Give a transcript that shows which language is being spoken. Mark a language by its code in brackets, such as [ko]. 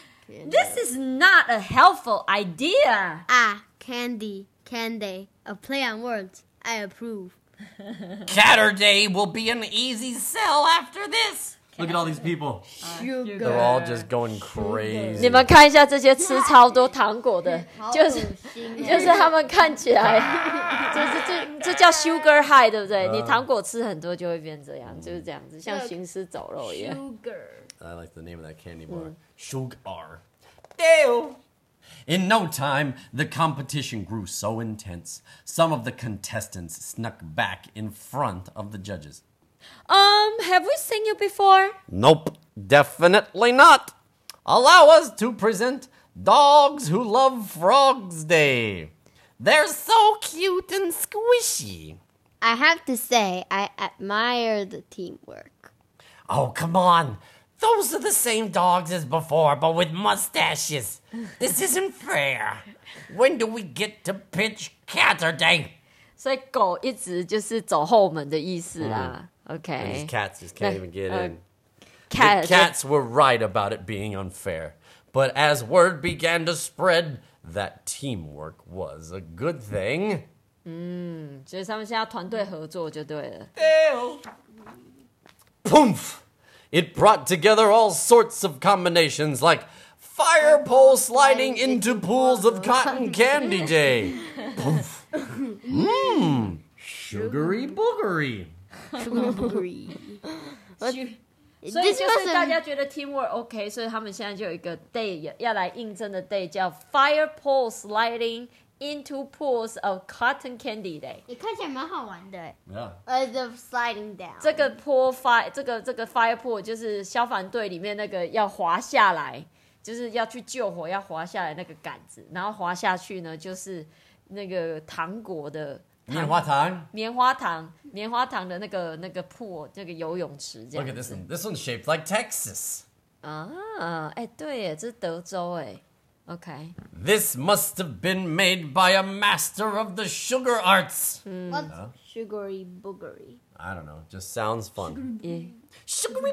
[en] This is not a helpful idea. Ah, candy, candy, a play on words, I approve. Catterday will be an easy sell after this. Look at all these people. Sugar. They're all just going crazy. [zh] 你们看一下这些吃超多糖果的，就是他们看起来，这叫 [en] sugar high, [zh] 对不对？你糖果吃很多就会变这样，就是这样子，像行尸走肉一样。 [en] Sugar. I like the name of that candy bar. Sugar. Dale. In no time, the competition grew so intense, some of the contestants snuck back in front of the judges. Have we seen you before? Nope, definitely not. Allow us to present Dogs Who Love Frogs Day. They're so cute and squishy. I have to say, I admire the teamwork. Oh, come on. Those are the same dogs as before, but with mustaches. This isn't fair. When do we get to pitch Catterday? [zh] So, 狗一直就是走后门的意思啦、mm. [en] Okay. And these cats just can't even get in. The cats were right about it being unfair. But as word began to spread, that teamwork was a good thing. [zh] 所以他们现在团队合作就对了。 [en] Dale! Poomph! It brought together all sorts of combinations like fire pole sliding into pools of cotton candy day. Poof. Mmm. Sugary boogery. Sugary. [zh] So, 就是大家觉得 teamwork OK, 所以他们现在就有一个 day, 要来应征的 day, 叫 [en] fire pole sliding into pools of cotton candy day. [zh] 也看起来蛮好玩的。 [en] Yeah. The sliding down. [zh] 这个 pool fire, 这个 fire pool 就是消防队里面那个要滑下来，就是要去救火要滑下来那个杆子，然后滑下去呢就是那个糖果的棉花糖，棉花糖的那个 pool, 那个游泳池这样子。 [en] Look at this one. This one's shaped like Texas. [zh] 啊，哎，对耶，这是德州耶。Okay. [en] This must have been made by a master of the sugar arts. What's sugary boogery? I don't know. Just sounds fun. Sugary